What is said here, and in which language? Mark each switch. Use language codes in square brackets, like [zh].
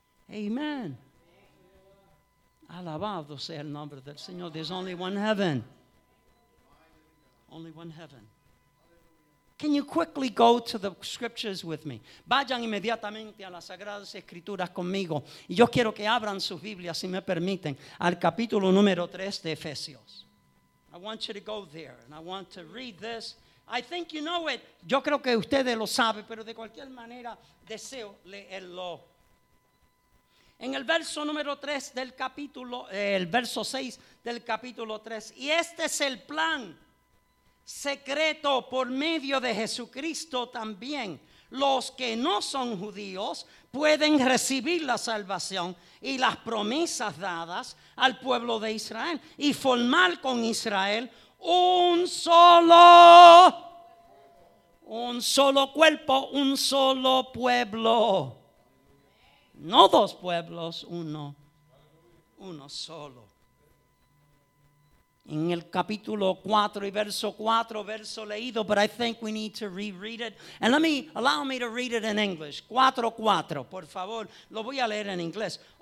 [es] Amen. Alabado sea el nombre del Señor. [en] There's only one heaven. Only one heaven. Can you quickly go to the scriptures with me? [es] Vayan inmediatamente a las Sagradas Escrituras conmigo. Y yo quiero que abran sus Biblias, si me permiten, al capítulo número 3 de Efesios. [en] I want you to go there and I want to read this. I think you know it. [es] Yo creo que ustedes lo saben, pero de cualquier manera deseo leerlo. En el verso número 3 del capítulo, el verso 6 del capítulo 3. Y este es el plan secreto por medio de Jesucristo también. Los que no son judíos pueden recibir la salvación y las promesas dadas al pueblo de Israel. Y formar con Israel un solo cuerpo, un solo pueblo. No dos pueblos, uno solo. En el capítulo 4 y verso 4, verso leído, but I think we need to reread it. [en] And allow me to read it in English. [es] 4:4, por favor, lo voy a leer en inglés.